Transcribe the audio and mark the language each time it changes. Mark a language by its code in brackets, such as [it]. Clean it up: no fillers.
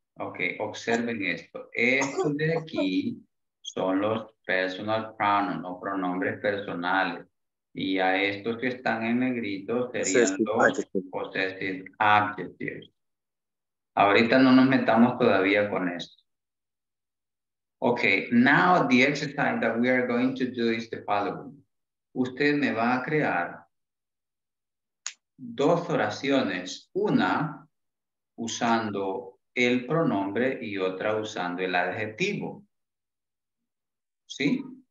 [es] Ok, observen esto. Esto de aquí son los personal pronouns o pronombres personales. Y a estos que están en negrito serían los possessive adjectives. Ahorita no nos metamos todavía con esto. [en] Ok, now the exercise that we are going to do is the following. [es] Usted me va a crear dos oraciones, una usando el pronombre y otra usando el adjetivo. ¿Sí?